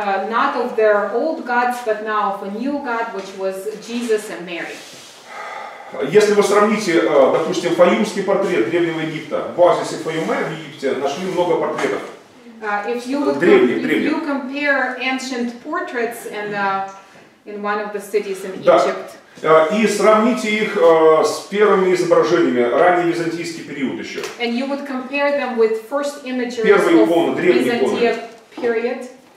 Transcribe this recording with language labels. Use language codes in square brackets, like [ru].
[en] Not of their old gods, but now of a new god, which was Jesus and Mary. [ru] Если вы сравните, допустим, Фаюмский портрет Древнего Египта, в оазисе Фаюме в Египте нашли много портретов. [en] If you would if you compare ancient portraits in the in one of the cities in Egypt. [ru] И сравните их с первыми изображениями, ранний византийский период еще. [en] And you would compare them with first images of Byzantine period.